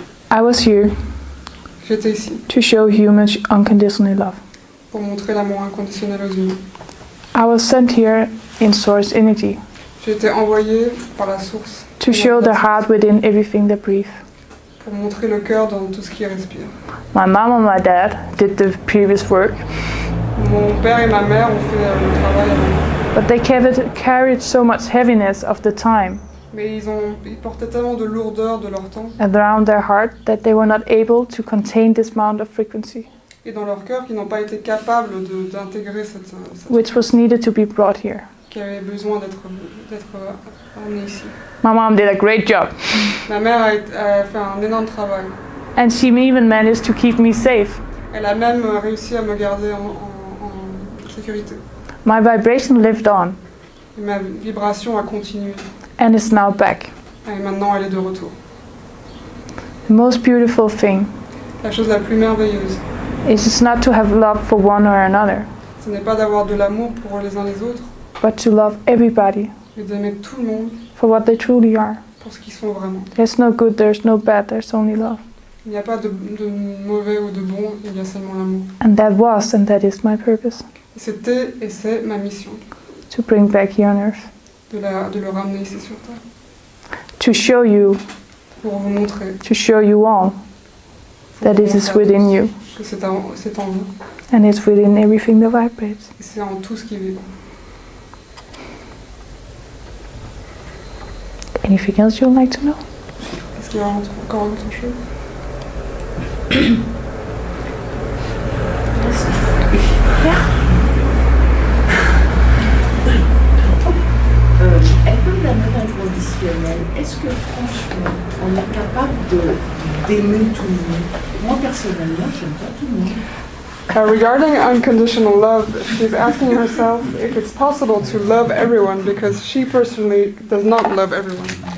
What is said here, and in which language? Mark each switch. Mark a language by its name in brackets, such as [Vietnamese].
[English] I was here. [French] J'étais ici. [English] To show humans unconditional love. [French] Pour montrer l'amour inconditionnel aux humains. [English] I was sent here in source energy. [French] J'ai été envoyé par la source. [English] To show the heart within everything that breathes. [French] Pour montrer le cœur dans tout ce qui respire. [English] My mom and my dad did the previous work. [French] Mon père et ma mère ont fait le travail. [English] But they carried so much heaviness of the time. [French] Mais ils portaient tellement de lourdeur de leur temps. [English] Around their heart that they were not able to contain this amount of frequency. [French] Et dans leur cœur, qu'ils n'ont pas été capables d'intégrer cette. [English] Which was needed to be brought here. [French] Qui avait besoin d'être amené ici. [English] My mom did a great job. [French] Ma mère a fait un énorme travail. [English] And she even managed to keep me safe. [French] Elle a même réussi à me garder en sécurité. [English] My vibration lived on. [French] Et ma vibration a continué. [English] And it's now back. [French] Et maintenant elle est de retour. [English] The most beautiful thing. [French] La chose la plus merveilleuse. [English] Is it's not to have love for one or another. [French] Ce n'est pas d'avoir de l'amour pour les uns les autres. [English] But to love everybody. [French] Et d'aimer tout le monde. [English] For what they truly are. [French] Pour ce qu'ils sont vraiment. [English] There's no good, there's no bad, there's only love. [French] Il n'y a pas de mauvais ou de bon, il y a seulement l'amour. [English] And that was and that is my purpose. [French] C'était et c'est ma mission. [English] To bring back here on earth. [French] De le ramener ici sur terre. [English] To show you. [French] Pour vous montrer. [English] To show you all. That it is within you. [French] Que c'est en vous. [English] And it's within everything that vibrates. [French] Et c'est en tout ce qui vibre. [English] Anything else you'd like to know? [French] Est-ce qu'il y a encore autre chose? Elle parle d'amour inconditionnel. Est-ce que franchement, on est capable d'aimer tout le monde? Moi personnellement, j'aime pas tout le monde. [English] Regarding unconditional love, she's asking herself if it's possible to love everyone because she personally does not love everyone.